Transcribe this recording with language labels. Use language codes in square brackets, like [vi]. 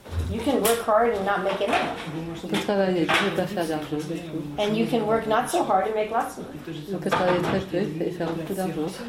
[en] You can work hard and not make enough. [fr] Vous pouvez travailler dur et pas faire d'argent. [en] And you can work not so hard and make lots of money. [fr] Vous pouvez travailler très peu et faire beaucoup d'argent.